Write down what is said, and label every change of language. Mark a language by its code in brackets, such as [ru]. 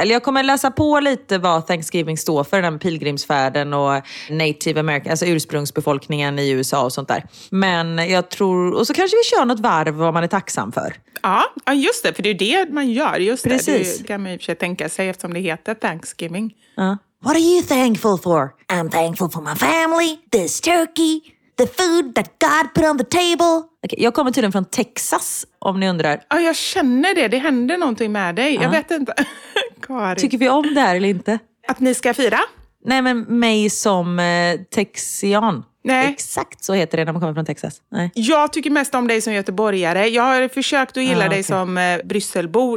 [sv] Eller jag kommer läsa på lite vad Thanksgiving står för. Den pilgrimsfärden och Native American. Alltså ursprungsbefolkningen i USA och sånt där. Men jag tror... Och så kanske vi kör något varv vad man är tacksam för. Ja, just det. För det är det man gör. Just precis. Det kan man ju försöka tänka sig eftersom det heter Thanksgiving. Ja. [en] What are you thankful for? I'm thankful for my family, this turkey, the food that God put on the table. [sv] Okay, jag kommer tydligen från Texas, om ni undrar. Ja, jag känner det. Det hände någonting med dig. Ja. Jag vet inte. Karin. Tycker vi om det här eller inte? Att ni ska fira? Nej, men mig som texian. Nej. Exakt så heter det när man kommer från Texas. Nej. Jag tycker mest om dig som göteborgare. Jag har försökt att gilla dig som brysselbo.